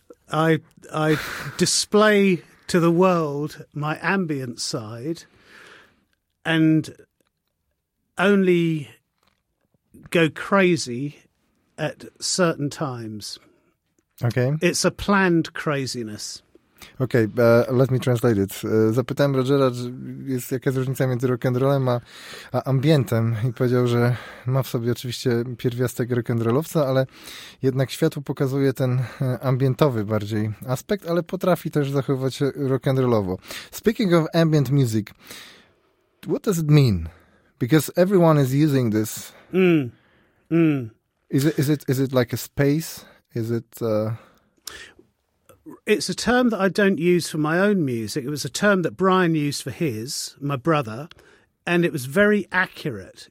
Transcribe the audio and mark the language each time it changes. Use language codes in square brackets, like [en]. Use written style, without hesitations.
[en] I display to the world my ambient side and only go crazy at certain times. Okay. It's a planned craziness. Okay, let me translate it. [pl] Zapytałem Rogera, jaka jest różnica między rock and rollem a ambientem, i powiedział, że ma w sobie oczywiście pierwiastek rock and rollowca, ale jednak światło pokazuje ten ambientowy bardziej aspekt, ale potrafi też zachowywać rock and rollowo. [en] Speaking of ambient music, what does it mean? Because everyone is using this. Is it like a space? Is it? It's a term that I don't use for my own music. It was a term that Brian used for his, my brother, and it was very accurate.